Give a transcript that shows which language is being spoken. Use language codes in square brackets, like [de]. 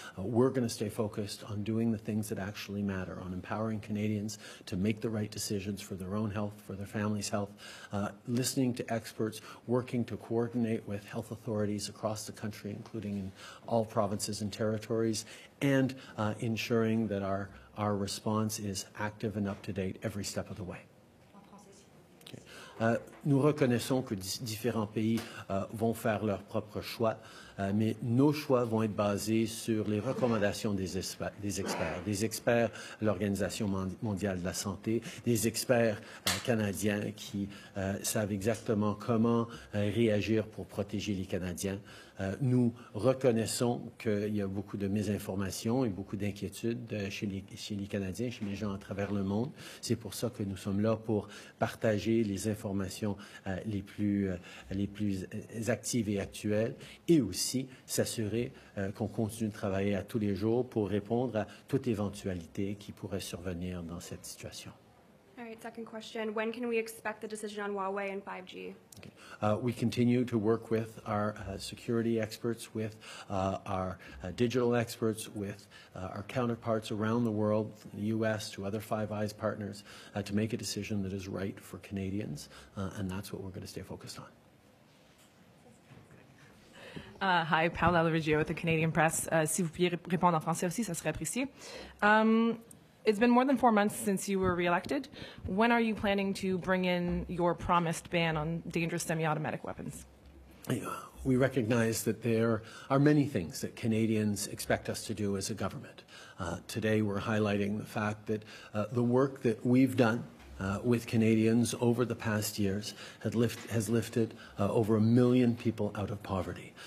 [en] We're going to stay focused on doing the things that actually matter, on empowering Canadians to make the right decisions for their own health, for their family's health, listening to experts, working to coordinate with health authorities across the country, including in all provinces and territories, and ensuring that our response is active and up-to-date every step of the way. [fr] Nous reconnaissons que différents pays vont faire leurs propres choix, mais nos choix vont être basés sur les recommandations des experts, l'Organisation mondiale de la santé, des experts canadiens qui savent exactement comment réagir pour protéger les Canadiens. Nous reconnaissons qu'il y a beaucoup de mésinformations et beaucoup d'inquiétudes chez les Canadiens, chez les gens à travers le monde. C'est pour ça que nous sommes là pour partager les informations les plus actives et actuelles et aussi s'assurer qu'on continue de travailler à tous les jours pour répondre à toute éventualité qui pourrait survenir dans cette situation. [en] All right, second question. When can we expect the decision on Huawei and 5G? Okay. We continue to work with our security experts, with our digital experts, with our counterparts around the world, from the U.S. to other Five Eyes partners, to make a decision that is right for Canadians, and that's what we're going to stay focused on. Hi, Paola Lavigia with the Canadian Press. [fr] Si vous pouviez répondre en français aussi, ça serait apprécié. [en] It's been more than 4 months since you were reelected. When are you planning to bring in your promised ban on dangerous semi-automatic weapons? We recognize that there are many things that Canadians expect us to do as a government. Today we're highlighting the fact that the work that we've done with Canadians over the past years has lifted over a million people out of poverty.